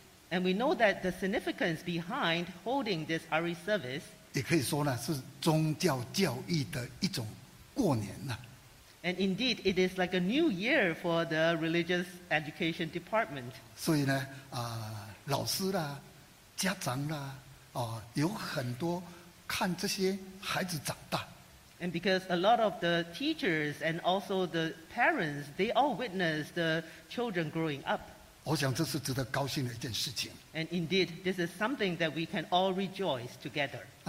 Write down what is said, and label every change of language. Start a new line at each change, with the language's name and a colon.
English: And we know that the significance behind holding this RE service.
Chinese: 也可以说呢，是宗教教育的一种过年呐。
English: And indeed, it is like a new year for the religious education department.
Chinese: 所以呢，老师啦，家长啦，有很多看这些孩子长大。
English: And because a lot of the teachers and also the parents, they all witness the children growing up.
Chinese: 我想这是值得高兴的一件事情。
English: And indeed, this is something that we can all rejoice together.